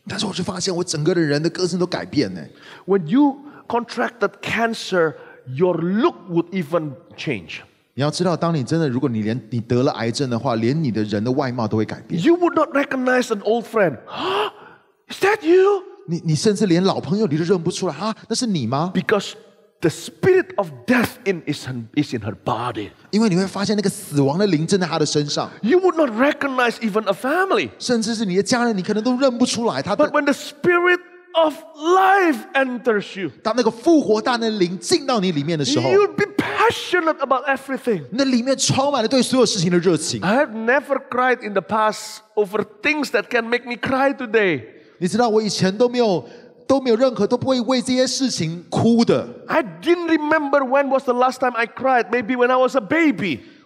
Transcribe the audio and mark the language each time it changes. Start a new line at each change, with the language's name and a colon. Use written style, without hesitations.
Chinese: 但是我就发现我整个的人的个性都改变了。
English: When you contract that cancer, your look would even change.
Chinese: 你要知道，当你真的，如果你连你得了癌症的话，连你的人的外貌都会改变。
English: You would not recognize an old friend. Is that you?
Chinese: 你甚至连老朋友你都认不出来啊？那是你吗
English: ？Because the spirit of death is in her body.
Chinese: 因为你会发现那个死亡的灵正在她的身上。
English: You would not recognize even a family.
Chinese: 甚至是你的家人，你可能都认不出来她的。
English: But when the spirit of life enters you,
Chinese: 当那个复活大能灵进到你里面的时候
English: ，You'll be passionate about everything.
Chinese: 那里面充满了对所有事情的热情。
English: I have never cried in the past over things that can make me cry today.
Chinese: 你知道我以前都没有任何都不会为这些事情哭的。
English: I didn't remember when was the last time I cried. Maybe when I was a baby.